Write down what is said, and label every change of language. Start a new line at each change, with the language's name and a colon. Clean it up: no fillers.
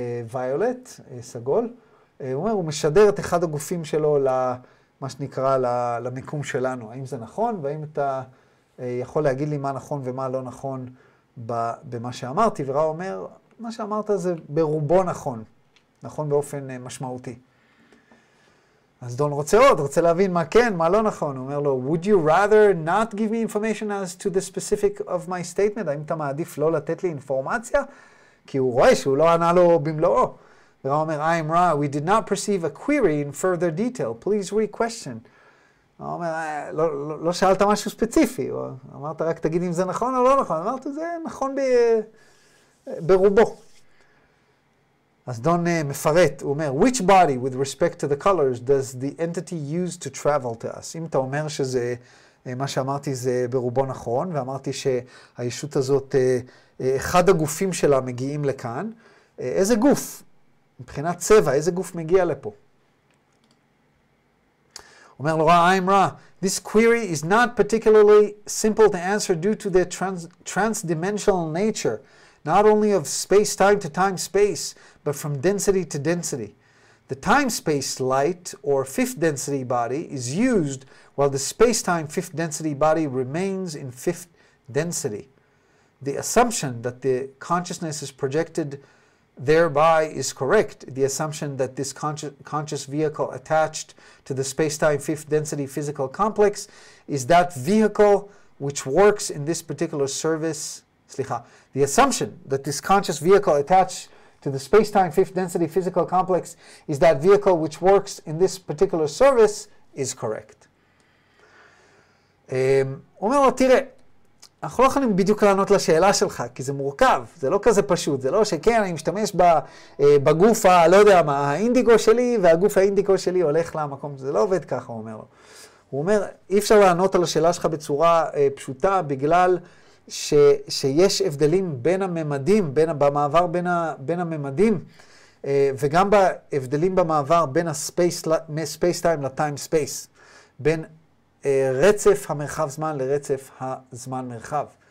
Hebrew: ויולט, סגול, הוא אומר, הוא משדר את אחד הגופים שלו מה שנקרא למיקום שלנו, האם זה נכון, והאם אתה יכול להגיד לי מה נכון ומה לא נכון במה שאמרתי, וראה אומר, מה שאמרת זה ברובו נכון, נכון באופן משמעותי. אז דון רוצה עוד, רוצה להבין מה כן, מה לא נכון. הוא אומר לו,
English: would you rather not give me information as to the specific of my statement?
Hebrew: האם אתה מעדיף לא לתת לי אינפורמציה? כי הוא רואה שהוא לא ענה לו במלואו. ורא אומר,
English: I am Ra, we did not perceive a query in further detail. Please re-question.
Hebrew: הוא אומר, לא שאלת משהו ספציפי. הוא אמרת רק, תגיד אם זה נכון או לא נכון. אמרת, זה נכון ברובו. אז דון מפרט, הוא אומר,
English: which body with respect to the colors does the entity use to travel to us?
Hebrew: אם אתה אומר שזה, מה שאמרתי זה ברובו נכון, ואמרתי שהישות הזאת, אחד הגופים שלה מגיעים לכאן, איזה גוף? מבחינת צבע, איזה גוף מגיע לפה? אומר לו,
English: Ra, I'm Ra. This query is not particularly simple to answer due to the trans-dimensional nature, not only of space-time to time-space, but from density to density. The time-space light, or fifth density body, is used while the space-time fifth density body remains in fifth density. The assumption that the consciousness is projected thereby is correct. The assumption that this conscious vehicle attached to the space-time fifth density physical complex is that vehicle which works in this particular service.
Hebrew: Slicha.
English: The assumption that this conscious vehicle attached to the space-time fifth density physical complex is that vehicle which works in this particular service is correct.
Hebrew: אומר לו, תראה, אנחנו לא יכולים בדיוק לענות לשאלה שלך, כי זה מורכב, זה לא כזה פשוט, זה לא שכן, אני משתמש בגוף הלא יודע מה, האינדיגו שלי, והגוף האינדיגו שלי הולך למקום, זה לא עובד ככה, הוא אומר לו. הוא אומר, אי אפשר לענות על השאלה שלך בצורה פשוטה, בגלל שיש הבדלים בין הממדים, במעבר בין הממדים, וגם בהבדלים במעבר בין ה-space-time ל-time-space, בין רצף המרחב זמן לרצף הזמן מרחב.